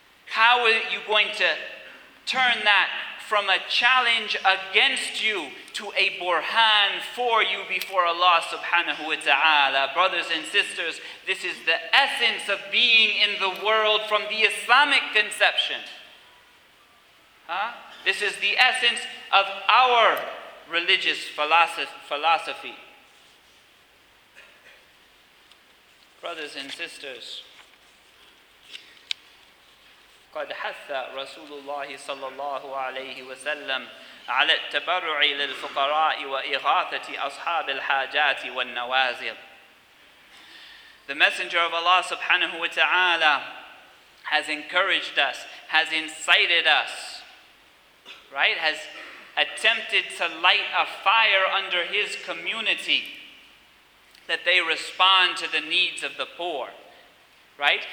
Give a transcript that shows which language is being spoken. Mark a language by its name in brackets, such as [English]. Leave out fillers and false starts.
[English] How are you going to turn that from a challenge against you to a burhan for you before Allah subhanahu wa ta'ala? Brothers and sisters, this is the essence of being in the world from the Islamic conception. Huh? This is the essence of our religious philosophy. Brothers and sisters, [Arabic] قَدْ حَثَّ رَسُولُ اللَّهِ صَلَّى اللَّهُ عَلَيْهِ وَسَلَّمْ عَلَى التَّبَرُعِ لِلْفُقَرَاءِ وَإِغَاثَةِ أَصْحَابِ الْحَاجَاتِ وَالنَّوَازِلِ. [English] The Messenger of Allah subhanahu wa ta'ala has encouraged us, has incited us, right? Has attempted to light a fire under his community that they respond to the needs of the poor, right?